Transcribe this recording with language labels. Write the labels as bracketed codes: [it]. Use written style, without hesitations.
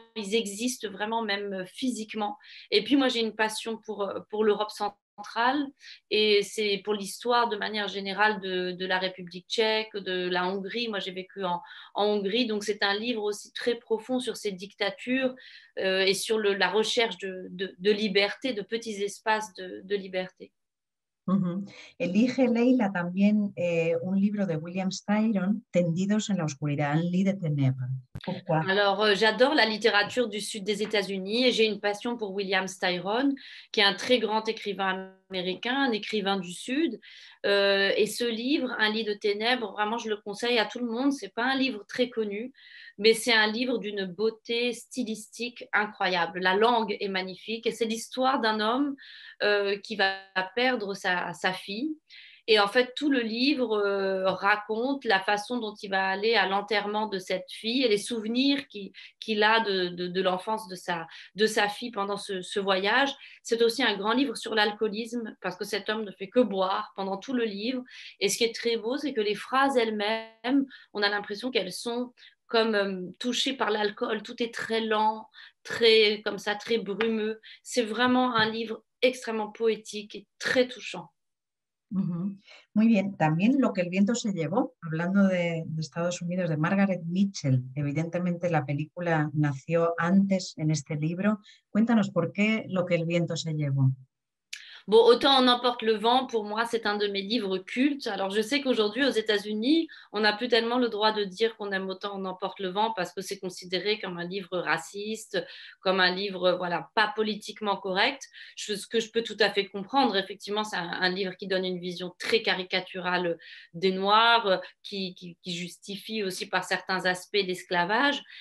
[fr] Ils existent vraiment, même physiquement. Et puis moi, j'ai une passion pour l'Europe centrale et c'est pour l'histoire de manière générale de la République tchèque, de la Hongrie. Moi, j'ai vécu en Hongrie, donc c'est un livre aussi très profond sur ces dictatures et sur la recherche de liberté, de petits espaces de liberté. [es] Elige Leila también un libro de William Styron, Tendidos en la oscuridad, Un lit de ténèbres. [fr] Pourquoi? Alors, j'adore la littérature du sud des États-Unis et j'ai une passion pour William Styron, qui est un très grand écrivain américain, un écrivain du sud. Et ce livre, Un lit de ténèbres, vraiment, je le conseille à tout le monde. C'est pas un livre très connu, mais c'est un livre d'une beauté stylistique incroyable. La langue est magnifique et c'est l'histoire d'un homme qui va perdre sa fille. Et en fait, tout le livre raconte la façon dont il va aller à l'enterrement de cette fille et les souvenirs qu'il a de l'enfance de sa fille pendant ce voyage. C'est aussi un grand livre sur l'alcoolisme parce que cet homme ne fait que boire pendant tout le livre. Et ce qui est très beau, c'est que les phrases elles-mêmes, on a l'impression qu'elles sont comme touchées par l'alcool. Tout est très lent, très comme ça, très brumeux. C'est vraiment un livre extrêmement poétique et très touchant. [es] Muy bien, también Lo que el viento se llevó, hablando de Estados Unidos, de Margaret Mitchell. Evidentemente la película nació antes en este libro. Cuéntanos por qué Lo que el viento se llevó. [fr] Bon, autant on emporte le vent, pour moi, c'est un de mes livres cultes. Alors, je sais qu'aujourd'hui, aux États-Unis, on n'a plus tellement le droit de dire qu'on aime autant on emporte le vent parce que c'est considéré comme un livre raciste, comme un livre, voilà, pas politiquement correct. Ce que je peux tout à fait comprendre, effectivement, c'est un livre qui donne une vision très caricaturale des Noirs, qui justifie aussi par certains aspects l'esclavage.